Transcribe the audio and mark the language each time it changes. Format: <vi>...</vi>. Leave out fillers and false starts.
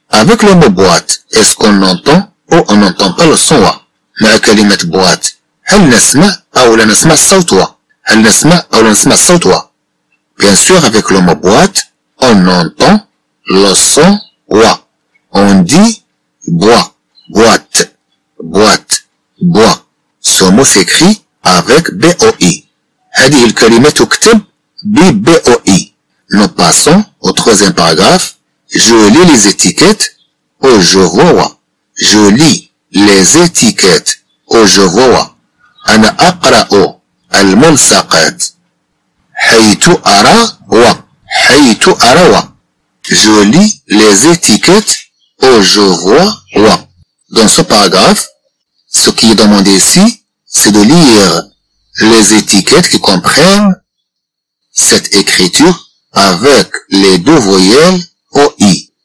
<fr>Avec le mot boîte, est-ce qu'on entend ou on n'entend pas le son wa?</fr> <ar>مع كلمة boîte, هل نسمع أو لا نسمع الصوت wa? هل نسمع أو لا نسمع الصوت wa?</ar> <fr>Bien sûr, avec le mot boîte, on entend le son wa. On dit bois, boîte, boîte, bois. Ce mot s'écrit avec B-O-I.</fr> <ar>هذه الكلمة تكتب بي بي او اي.</ar> <fr>Nous passons au troisième paragraphe. Je lis les étiquettes ou je vois. Je lis les étiquettes ou je vois.</fr> <ar>أنا أقرأ الملصقات حيث أرى و. حيث أرى و.</ar> <fr>Je lis les étiquettes ou je vois و. Dans ce paragraphe, ce qui est demandé ici, c'est de lire les étiquettes qui comprennent cette écriture avec les deux voyelles OI.</fr>